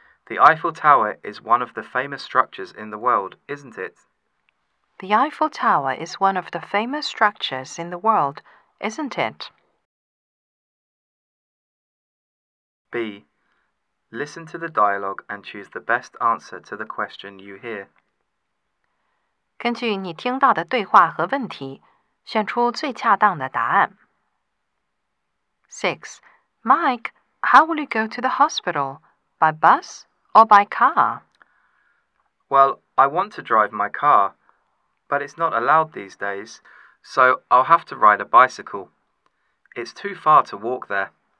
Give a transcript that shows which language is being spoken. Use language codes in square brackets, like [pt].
[en] The Eiffel Tower is one of the famous structures in the world, isn't it? The Eiffel Tower is one of the famous structures in the world, isn't it? B. Listen to the dialogue and choose the best answer to the question you hear. [zh] 根据你听到的对话和问题，选出最恰当的答案。 [en] 6. Mike, how will you go to the hospital? By bus or by car? Well, I want to drive my car. But it's not allowed these days, so I'll have to ride a bicycle. It's too far to walk there.